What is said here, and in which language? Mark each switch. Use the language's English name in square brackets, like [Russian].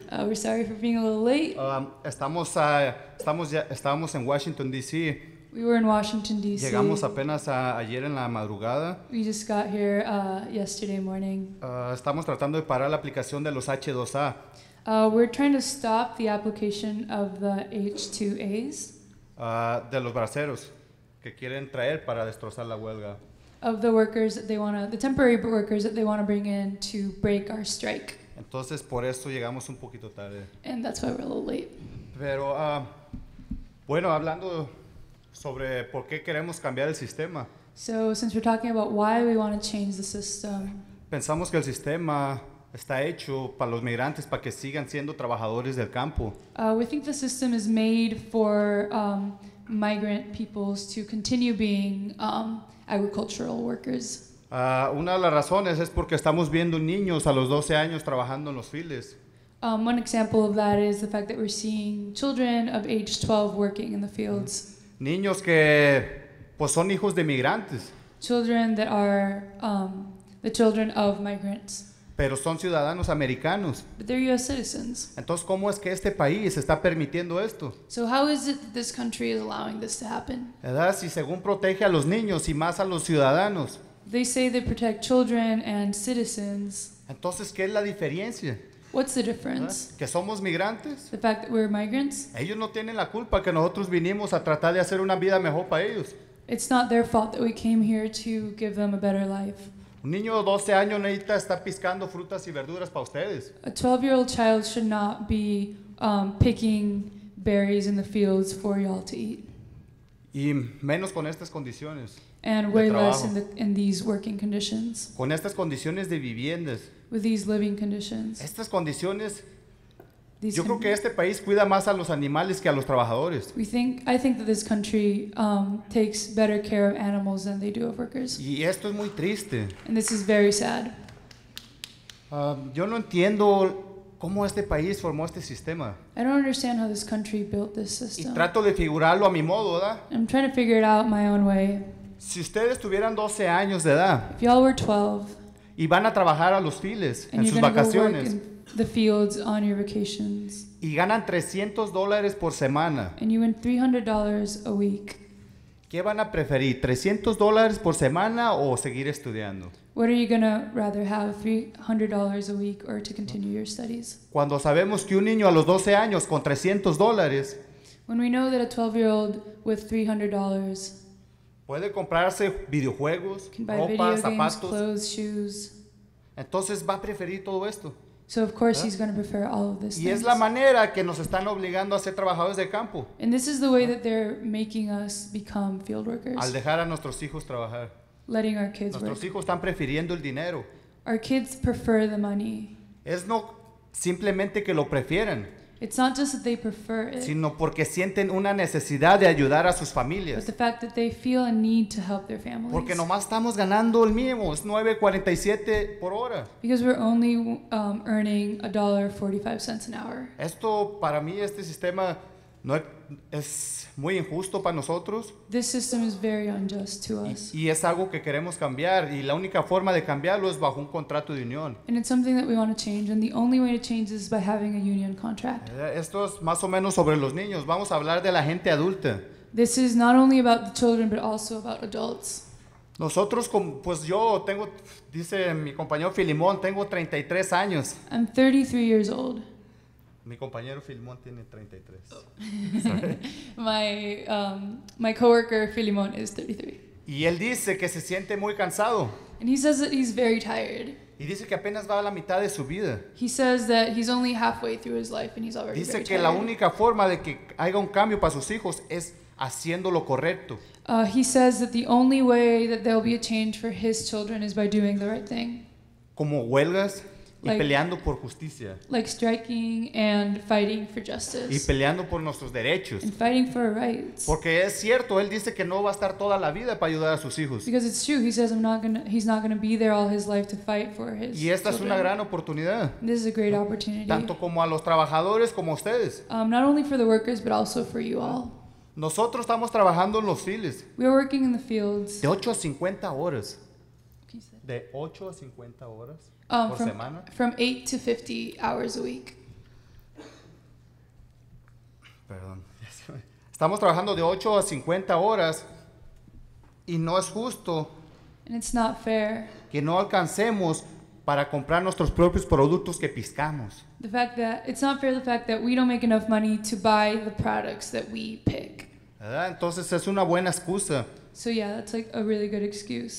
[English] We're sorry for being a little late. [Spanish] Estábamos en Washington, D.C. [English] We were in Washington, D.C. [Spanish] Llegamos apenas ayer en la madrugada. [English] We just got here yesterday morning. [Spanish] Estamos tratando de parar la aplicación de los H2A. [English] We're trying to stop the application of the H2As. [Spanish] De los braceros que quieren traer para destrozar la huelga. [English] Of the workers that they want to, the temporary workers that they want to bring in to break our strike. [Spanish] Entonces, por eso llegamos un poquito tarde. [English] And that's why we're a little late. [Spanish] Pero, bueno, hablando sobre por qué queremos cambiar el sistema. [English] So, since we're talking about why we want to change the system. [Spanish] Pensamos que el sistema está hecho para los migrantes, para que sigan siendo trabajadores del campo. [English] We think the system is made for migrant peoples to continue being agricultural workers. [Spanish] Una de las razones es porque estamos viendo niños a los 12 años trabajando en los fields. [English] One example of that is the fact that we're seeing children of age 12 working in the fields. [Spanish] Niños que pues son hijos de migrantes. [English] Children that are the children of migrants. [Spanish] Pero son ciudadanos americanos. [English] But they're U.S. citizens. [Spanish] Entonces, ¿cómo es que este país está permitiendo esto? [English] So how is it that this country is allowing this to happen? [Spanish] ¿Verdad? Si según protege a los niños y más a los ciudadanos. [English] They say they protect children and citizens. [Spanish] Entonces, ¿qué es la diferencia? [English] What's the difference? [Spanish] ¿Que somos migrantes? [English] The fact that we're migrants? [Spanish] Ellos no tienen la culpa que nosotros vinimos a tratar de hacer una vida mejor para ellos. [English] It's not their fault that we came here to give them a better life. [Spanish] Un niño de 12 años necesita estar piscando frutas y verduras para ustedes. [English] A 12-year-old child should not be picking berries in the fields for y'all to eat. [Spanish] Y menos con estas condiciones. [English] And way less in these working conditions. [Spanish] Con estas condiciones de viviendas. [English] With these living conditions. [Spanish] Estas condiciones. Yo creo que este país cuida más a los animales que a los trabajadores. [English] I think that this country takes better care of animals than they do of workers. [Spanish] Y esto es muy triste. [English] And this is very sad. [Spanish] Yo no entiendo cómo este país formó este sistema. [English] I don't understand how this country built this system. [Spanish] Y trato de figurarlo a mi modo, ¿verdad? [English] I'm trying to figure it out my own way. [Spanish] Si ustedes tuvieran 12 años de edad. [English] If y'all were 12. [Spanish] Y van a trabajar a los files en sus vacaciones. [English] The fields on your vacations. [Spanish] Y ganan $300 por semana. [English] And you win $300 a week. [Spanish] ¿Qué van a preferir, $300 por semana o seguir estudiando? [English] What are you gonna rather have, $300 a week or to continue your studies? [Spanish] Cuando sabemos que un niño a los 12 años con $300. [English] When we know that a 12-year-old with $300. [Spanish] Puede comprarse videojuegos, ropa, zapatos. [English] Clothes, shoes. [Spanish] Entonces va a preferir todo esto. [English] So of course he's going to prefer all of this. [Spanish] Y es la manera que nos están obligando a ser trabajadores de campo. [English] And this is the way that they're making us become field workers. [Spanish] Al dejar a nuestros hijos trabajar. [English] Letting our kids work. [Spanish] Nuestros hijos están prefiriendo el dinero. [English] Our kids prefer the money. [Spanish] Es no simplemente que lo prefieren. [English] It's not just that they prefer it. [Spanish] Sino porque sienten una necesidad de ayudar a sus familias. [English] But the fact that they feel a need to help their families. [Spanish] Porque nomás estamos ganando el mínimo, es 9.47 por hora. [English] Because we're only earning $1.45 an hour. [Spanish] Esto para mí, este sistema, no es muy injusto para nosotros. [English] This system is very unjust to us. [Spanish] Y es algo que queremos cambiar, y la única forma de cambiarlo es bajo un contrato de unión. [English] And it's something that we want to change, and the only way to change is by having a union contract. [Spanish] Esto es más o menos sobre los niños. Vamos a hablar de la gente adulta. [English] This is not only about the children, but also about adults. [Spanish] Nosotros, pues yo tengo, dice mi compañero Filimón, tengo 33 años. [English] I'm 33 years old. [Spanish] Mi compañero Filimón tiene 33. [English] My coworker Filimón is 33. [Spanish] Y él dice que se siente muy cansado. [English] And he says that he's very tired. [Spanish] Y dice que apenas va a la mitad de su vida. [English] He says that he's only halfway through his life and he's already [Spanish] dice [English] very [Spanish] que [English] tired. [Spanish] La única forma de que haya un cambio para sus hijos es haciendo lo correcto. [English] He says that the only way that there'll be a change for his children is by doing the right thing. [Spanish] Como huelgas. Like, y peleando por justicia. [English] Like striking and fighting for justice. [Spanish] Y peleando por nuestros derechos. [English] And fighting for our rights. [Spanish] Porque es cierto, él dice que no va a estar toda la vida para ayudar a sus hijos. [English] Because it's true, he says he's not gonna be there all his life to fight for his [Spanish] Y esta [English] children. [Spanish] Es una gran oportunidad. [English] This is a great opportunity. [Spanish] Tanto como a los trabajadores como a ustedes. [English] Not only for the workers, but also for you all. [Spanish] Nosotros estamos trabajando en los fields. [English] We are working in the fields. [Spanish] De 8 a 50 horas. De 8 a 50 horas. [English] From 8 to 50 hours a week. [Spanish] Perdón. Estamos trabajando de 8 a 50 horas y no es justo. [English] And it's not fair. [Spanish] Que no alcancemos para comprar nuestros propios productos que piscamos. [English] The fact that it's not fair the fact that we don't make enough money to buy the products that we pick. [Spanish] ¿Verdad? Entonces es una buena excusa. [English] So yeah, that's like a really good excuse.